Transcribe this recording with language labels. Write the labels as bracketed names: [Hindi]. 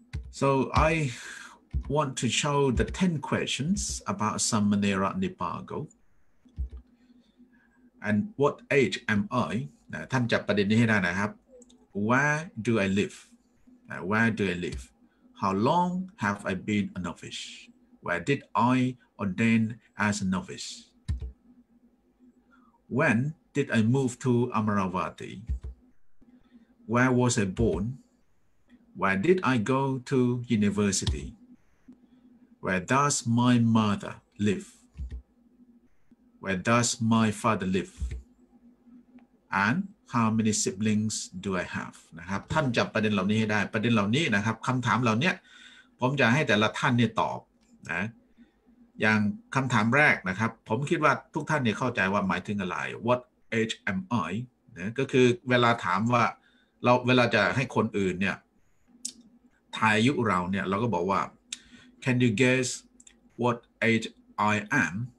[English] So I want to show the 10 questions about Samanera Nipako. And what age am I? [Thai] ท่านจับประเด็นนี้ให้ได้นะครับ [English] Where do I live? Where do I live? How long have I been a novice? Where did I ordain as a novice? When did I move to Amaravati? Where was I born? Where did I go to university? Where does my mother live? Where does my father live? And how many siblings do I have? [Thai] นะครับท่านจับประเด็นเหล่านี้ให้ได้ประเด็นเหล่านี้นะครับคำถามเหล่านี้ผมจะให้แต่ละท่านเนี่ยตอบนะอย่างคำถามแรกนะครับผมคิดว่าทุกท่านเนี่ยเข้าใจว่าหมายถึงอะไร [English] What age am I? [Thai] นะก็คือเวลาถามว่าเราเวลาจะให้คนอื่นเนี่ยทายอายุเราเนี่ยเราก็บอกว่า [English] Can you guess what age I am?